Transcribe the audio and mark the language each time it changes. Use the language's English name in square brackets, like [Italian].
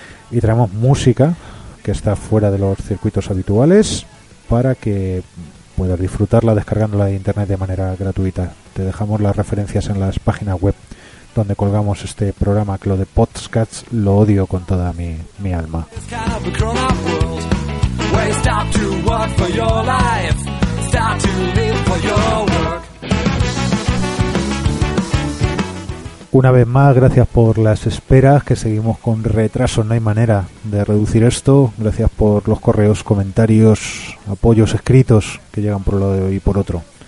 [Spanish] Y traemos música que está fuera de los circuitos habituales para que puedas disfrutarla descargándola de internet de manera gratuita. Te dejamos las referencias en las páginas web donde colgamos este programa, que lo de podcasts lo odio con toda mi alma. [English] Waste out to work for your life, start to live for your work. [Spanish] Una vez más, gracias por las esperas, que seguimos con retraso. No hay manera de reducir esto. Gracias por los correos, comentarios, apoyos escritos que llegan por un lado y por otro.